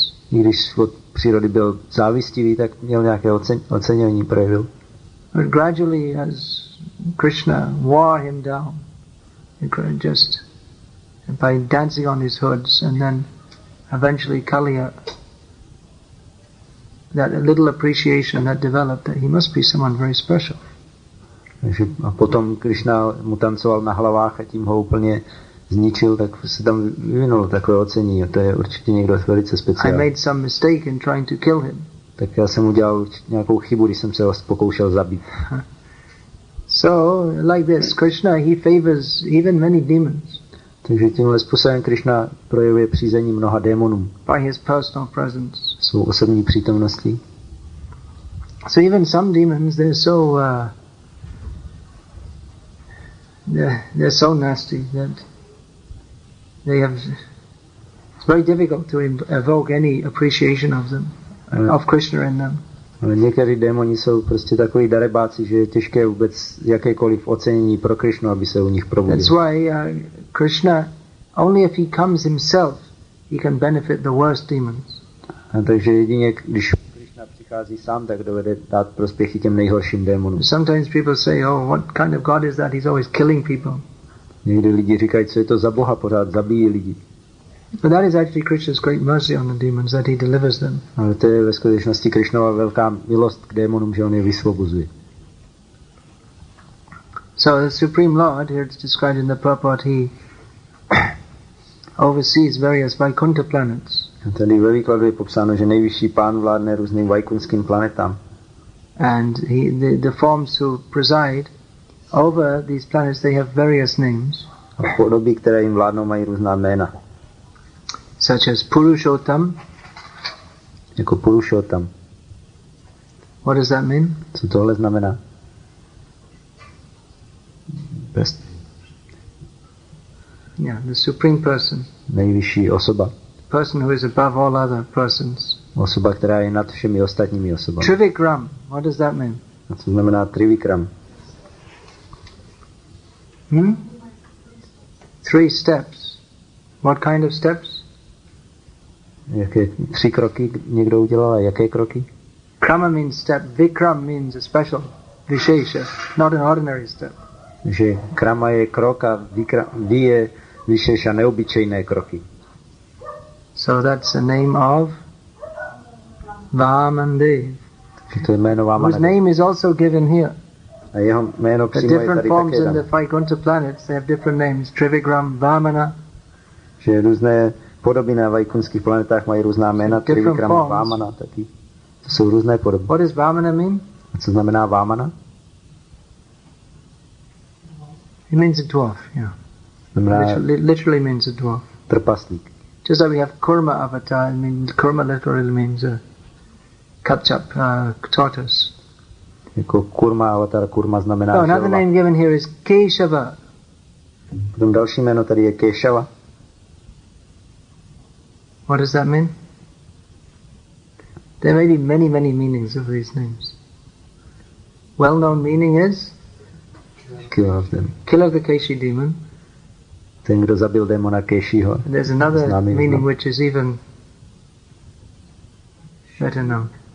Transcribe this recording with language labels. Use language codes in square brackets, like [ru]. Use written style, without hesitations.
[cs] I když od přírody byl závistivý, tak měl nějaké ocenění, projevil. [en] But gradually, as Krishna wore him down, just by dancing on his hoods, and then eventually Kaliya, that little appreciation that developed, that he must be someone very special. [cs] A potom Krishna mu tancoval na hlavách a tím ho úplně zničil, tak se tam vyvinulo takové ocenění. To je určitě někdo velice speciální. [en] I made some mistake in trying to kill him. [cs] Tak já jsem udělal nějakou chybu, když jsem se ho pokoušel zabít. [en] So, like this, Krishna, he favors even many demons. [cs] Takže tímhle způsobem Krishna projevuje přízení mnoha démonům. [en] By his personal presence. [cs] Svou osobní přítomností. [en] So even some demons, they're so they're so nasty that they have, it's very difficult to evoke any appreciation of them. Of Krishna in them. [cs] Ale někteří démoni jsou prostě takový darebáci, že je těžké vůbec jakékoliv ocenění pro Krishnu, aby se u nich probudil. [en] That's why Krishna, only if he comes himself, he can benefit the worst demons. [cs] A takže jedině, když Krishna přichází sám, tak dovede dát prospěch i těm nejhorším démonům. [en] Sometimes people say, oh, what kind of God is that? He's always killing people. [cs] Někdy lidi říkají, co je to za Boha, pořád zabíjí lidi. [en] But that is actually Krishna's great mercy on the demons that he delivers them. [cs] Ale to je ve skutečnosti Krishnova velká milost k démonům, že on je vysvobozuje. [en] So the Supreme Lord, here it's described in the purport, he oversees various Vaikuntha planets. [cs] A tady ve výkladu je popsáno, že nejvyšší pán vládne různým vaikunským planetám. [en] And he, the forms who preside over these planets, they have various names. [cs] A podoby, které jim vládnou, mají různá jména. [en] Such as Purushottam. [cs] Jako Purushottam. [en] What does that mean? [cs] Co tohle znamená? [en] Best. Yeah, the supreme person. [cs] Nejvyšší osoba. [en] The person who is above all other persons. [cs] Osoba, která je nad všemi ostatními osobami. [en] Trivikram. What does that mean? [cs] A co znamená Trivikram? [en] Three steps. What kind of steps? [cs] Jaké tři kroky někdo udělal a jaké kroky? [en] Krama means step, vikram means a special, vishesha, not an ordinary step. [cs] Že krama je krok a vi je vishesha, neobyčejné kroky. [en] So that's the name of Vamandev. [cs] Že to je jméno Vamandev. [en] Whose name is also given here. [cs] A jeho jméno přímo je tady také dané. [en] The different forms in the Vaikuntha planets, they have different names, Trivikram, Vamana. [cs] Že různé podoby na vaikunských planetách mají různá jména, Trivikram, Vámana taky. To jsou různé podoby. [en] What does Vámana mean? [cs] A co znamená Vámana? [en] It means a dwarf, yeah. [cs] Znamená [en] literally means a dwarf. [cs] Trpaslík. [en] Just like we have Kurma avatar, it means, Kurma literally means a kapchap, tortoise. [cs] Jako Kurma avatar, Kurma znamená želva. [en] Another name given here is Keshava. [cs] Potom další jméno tady je Keshava. [en] What does that mean? There may be many, many meanings of these names. Well-known meaning is? Kill of them. Kill of the Keshi demon. [cs] Ten, kdo zabil démona Keshiho. [en] And there's another meaning which is even better known.